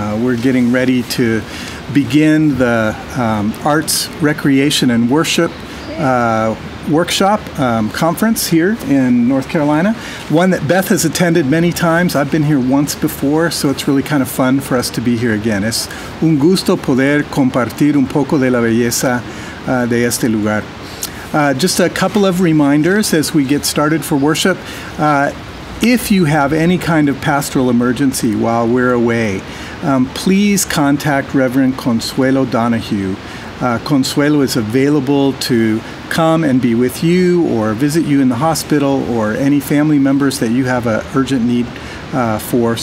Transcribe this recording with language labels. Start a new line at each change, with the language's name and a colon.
English: We're getting ready to begin the Arts, Recreation, and Worship workshop conference here in North Carolina, one that Beth has attended many times. I've been here once before, so it's really kind of fun for us to be here again.
Spanish: Es un gusto poder compartir un poco de la belleza de este lugar.
English: Just a couple of reminders as we get started for worship. If you have any kind of pastoral emergency while we're away, please contact Reverend Consuelo Donahue. Consuelo is available to come and be with you or visit you in the hospital or any family members that you have an urgent need for.